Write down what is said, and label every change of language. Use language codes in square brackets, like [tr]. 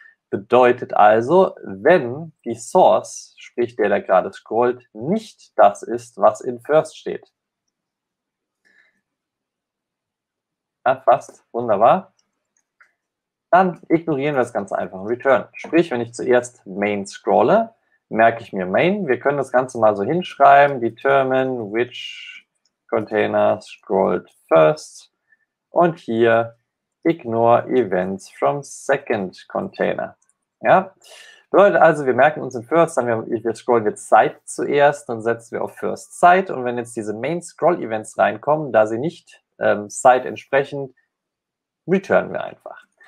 [de] Bedeutet also, wenn die Source, sprich der, der gerade scrollt, nicht das ist, was in First steht. Ja, fast, wunderbar. Dann ignorieren wir das ganz einfach und return. Sprich, wenn ich zuerst Main scrolle, merke ich mir Main. Wir können das Ganze mal so hinschreiben. [en] Determine which container scrolled first. [de] Und hier [en] ignore events from second container. [de] Ja, bedeutet also, wir merken uns in First, dann wir scrollen jetzt Side zuerst, dann setzen wir auf First Side. Und wenn jetzt diese Main Scroll Events reinkommen, da sie nicht Side entsprechen, returnen wir einfach.